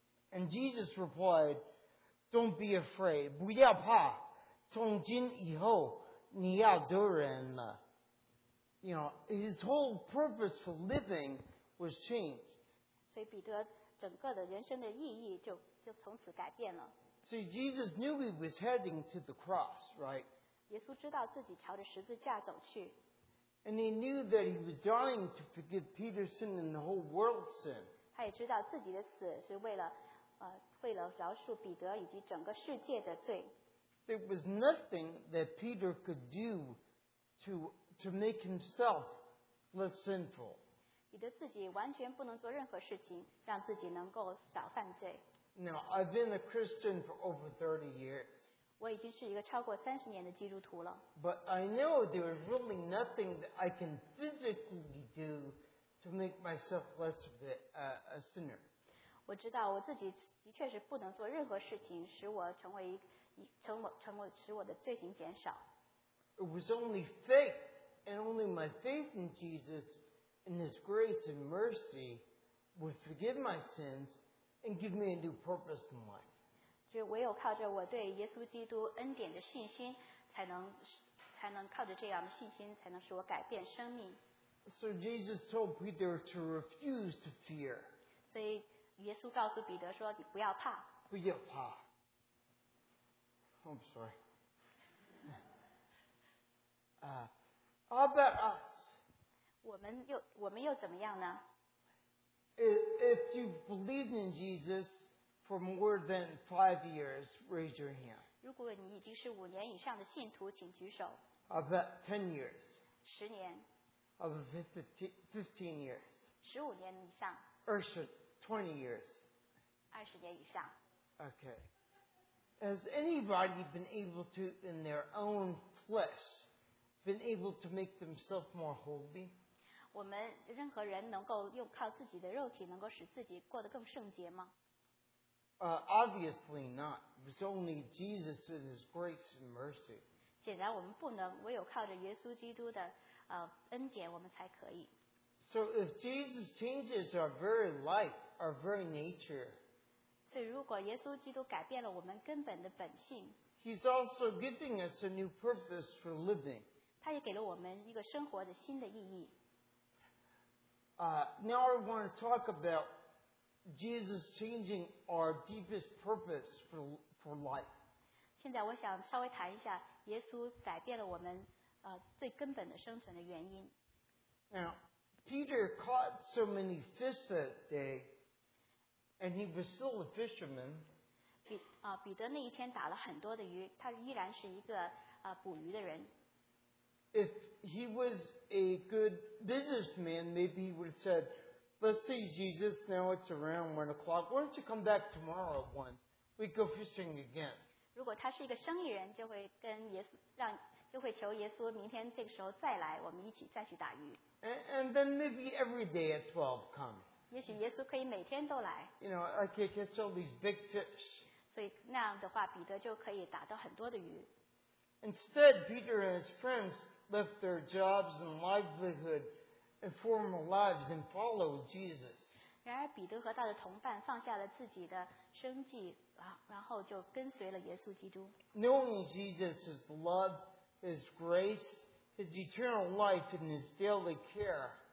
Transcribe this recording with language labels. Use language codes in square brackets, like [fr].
[en] And Jesus replied, "Don't be afraid, [zh] 不要怕，从今以后你要得人了。” [en] You know, his whole purpose for living was changed. [zh] 所以彼得。整个的人生的意义 就从此改变了。 [en] See, Jesus knew he was heading to the cross, right? [zh] 耶稣知道自己朝着十字架走去。 [en] And he knew that he was dying to forgive Peter's sin and the whole world's sin. [zh] 他也知道自己的死是为了饶恕彼得以及整个世界的罪。 [en] There was nothing that Peter could do to make himself less sinful. [zh] 彼得自己完全不能做任何事情让自己能够少犯罪。 [en] Now, I've been a Christian for over 30 years. [zh] 我已经是一个超过三十年的基督徒了。 [en] But I know there is really nothing that I can physically do to make myself less of a sinner. [zh] 我知道我自己的确是不能做任何事情使我成为使我的罪行减少。 [en] It was only faith and only my faith in Jesus. In His grace and mercy, would forgive my sins and give me a new purpose in life. [zh] 就唯有靠着我对耶稣基督恩典的信心，才能靠着这样的信心，才能使我改变生命。 [en] So Jesus told Peter to refuse to fear. [zh] 所以耶稣告诉彼得说：“你不要怕。” 不要怕。 [en] I'm sorry. How about us? [zh] 我们又怎么样呢？ [en] If you've believed in Jesus for more than 5 years, raise your hand. [zh] 如果你已经是五年以上的信徒，请举手。 [en] About 10 years. [zh] 十年。 [en] About 15 years. [zh] 十五年以上。 [en] 20 years. [zh] 二十年以上。 [en] Okay. Has anybody been able to, in their own flesh, been able to make themselves more holy? [zh] 我们任何人能够用靠自己的肉体能够使自己过得更圣洁吗？ [en] Obviously not. It was only Jesus and His grace and mercy. [zh] 显然我们不能，唯有靠着耶稣基督的恩典，我们才可以。 [en] So if Jesus changes our very life, our very nature. [zh] 所以如果耶稣基督改变了我们根本的本性。 [en] He's also giving us a new purpose for living. [zh] 他也给了我们一个生活的新的意义。 [en] Now I want to talk about. Jesus changing our deepest purpose for life. [zh] 现在我想稍微谈一下耶稣改变了我们最根本的生存的原因。 [en] Now, Peter caught so many fish that day, and he was still a fisherman. [zh] 彼得那一天打了很多的鱼，他依然是一个捕鱼的人。 [en] If he was a good businessman, maybe he would have said,Let's see, Jesus, now it's around 1 o'clock. Why don't you come back tomorrow at 1? We go fishing again. [zh] 如果他是一个生意人，就会跟耶稣让，就会求耶稣明天这个时候再来，我们一起再去打鱼。 [en] And then maybe every day at 12 come. [zh] 也许耶稣可以每天都来。 [en] You know, I can catch all these big fish. [zh] 所以那样的话，彼得就可以打到很多的鱼。 [en] Instead, Peter and his friends left their jobs and livelihood. And former lives and follow Jesus. [zh] 然而彼得和他的同伴放下了自己的生计，然后就跟随了耶稣基督。 [en] Knowing Jesus, His love, His grace, His eternal life, and His daily care.